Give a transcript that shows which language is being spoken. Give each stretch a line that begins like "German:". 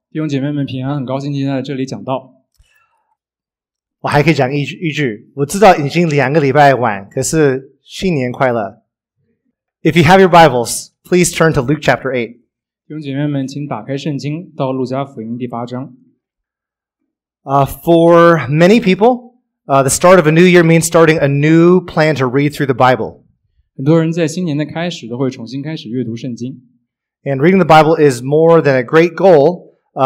Chinese: 弟兄姐妹们平安，很高兴今天在这里讲道。我还可以讲一句，我知道已经两个礼拜晚，可是新年快乐。
English: If you have your Bibles, please turn to Luke chapter 8.
Chinese: 弟兄姐妹们，请打开圣经，到路加福音第八章。
English: For many people, the start of a new year means starting a new plan to read through the Bible.
Chinese: 很多人在新年的开始都会重新开始阅读圣经。
English: And reading the Bible is more than a great goal.